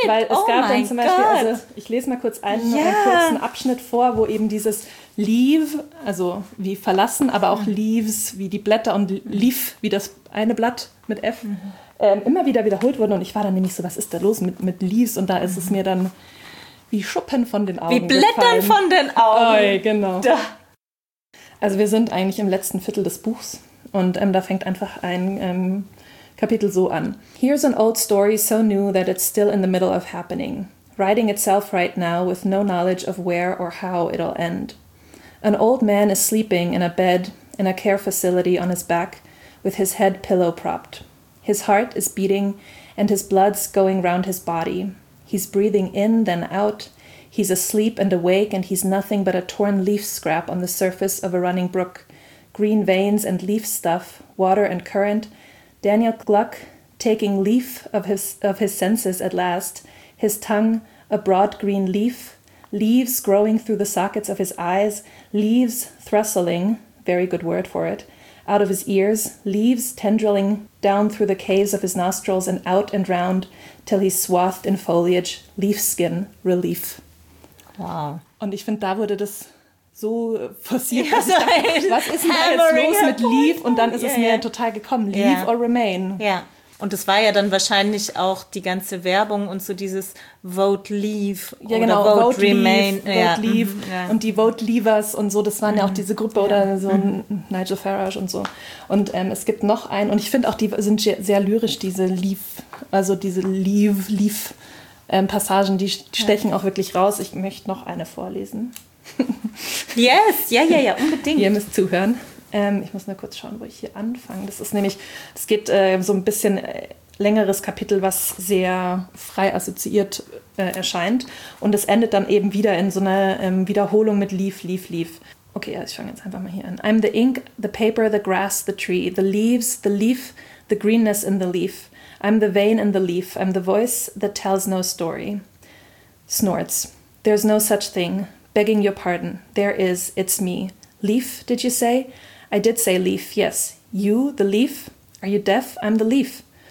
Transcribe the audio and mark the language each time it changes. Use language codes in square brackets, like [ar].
[de] Weil es gab dann zum Beispiel, also ich lese mal kurz einen kurzen Abschnitt vor, wo eben dieses Leave, also wie verlassen, aber auch Leaves wie die Blätter und Leaf wie das eine Blatt mit F, immer wieder wiederholt wurden. Und ich war dann nämlich so, was ist da los mit Leaves? Und da ist es mir dann wie Schuppen von den Augen. Wie Blättern gefallen. Von den Augen. Oi, genau. Da. Also wir sind eigentlich im letzten Viertel des Buchs und da fängt einfach ein Kapitel so an. [en] Here's an old story so new that it's still in the middle of happening. Writing itself right now with no knowledge of where or how it'll end. An old man is sleeping in a bed in a care facility on his back with his head pillow propped. His heart is beating and his blood's going round his body. He's breathing in, then out. He's asleep and awake and he's nothing but a torn leaf scrap on the surface of a running brook. Green veins and leaf stuff, water and current. Daniel Gluck taking leaf of his senses at last. His tongue a broad green leaf. Leaves growing through the sockets of his eyes, leaves thrustling, very good word for it, out of his ears, leaves tendrilling down through the caves of his nostrils and out and round till he's swathed in foliage, leaf skin, relief. Wow. [de] Und ich finde, da wurde das so forciert. Ja, so was ist denn da jetzt los mit leaf? Und dann ist es mir total gekommen, [en] leave or remain. [de] Ja. Und das war ja dann wahrscheinlich auch die ganze Werbung und so dieses Vote Leave [en] Vote Remain. [de] Leave, Vote Leave und die Vote Leavers und so, das waren ja auch diese Gruppe oder so ein Nigel Farage und so. Und es gibt noch einen und ich finde auch, die sind sehr lyrisch, diese Leave, also diese Leave-Passagen, die stechen auch wirklich raus. Ich möchte noch eine vorlesen. Yes, ja, unbedingt. Ihr müsst zuhören. Ich muss nur kurz schauen, wo ich hier anfange. Das ist nämlich, es geht so ein bisschen längeres Kapitel, was sehr frei assoziiert erscheint. Und es endet dann eben wieder in so einer Wiederholung mit Leaf, Leaf, Leaf. Okay, ja, ich fange jetzt einfach mal hier an. [en] I'm the ink, the paper, the grass, the tree, the leaves, the leaf, the greenness in the leaf. I'm the vein in the leaf. I'm the voice that tells no story. Snorts. There's no such thing. Begging your pardon. There is. It's me. Leaf, did you say? I did say leaf, yes. You, the leaf? Are you deaf? I'm the leaf.